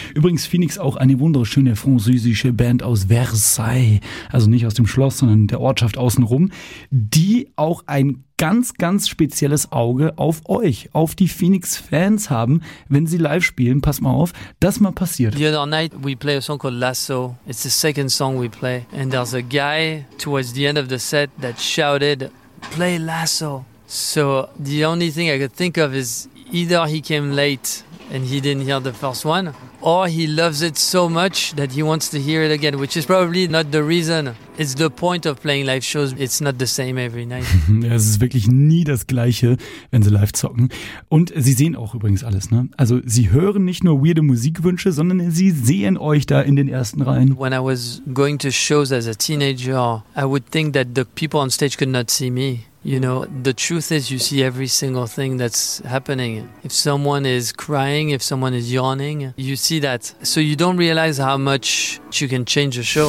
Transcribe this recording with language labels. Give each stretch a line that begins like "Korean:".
German: Übrigens Phoenix auch eine wunderschöne französische Band aus Versailles, also nicht aus dem Schloss, sondern der Ortschaft außenrum, die auch ein ganz, ganz spezielles Auge auf euch, auf die Phoenix-Fans haben, wenn sie live spielen. Pass mal auf, das mal passiert.
English: The other night we play a song called Lasso. It's the second song we play. And there's a guy towards the end of the set that shouted, play Lasso. So the only thing I could think of is either he came late and he didn't hear the first one, or he loves it so much that he wants to hear it again, which is probably not the reason. It's the point of playing live shows. It's not the same every night.
German: Es ist wirklich nie das Gleiche, wenn sie live zocken. Und sie sehen auch übrigens alles, ne? Also sie hören nicht nur weirde Musikwünsche, sondern sie sehen euch da in den ersten Reihen.
English: When I was going to shows as a teenager, I would think that the people on stage could not see me. You know, the truth is you see every single thing that's happening. If someone is crying, if someone is yawning, you see that. So you don't realize how much you can change the show.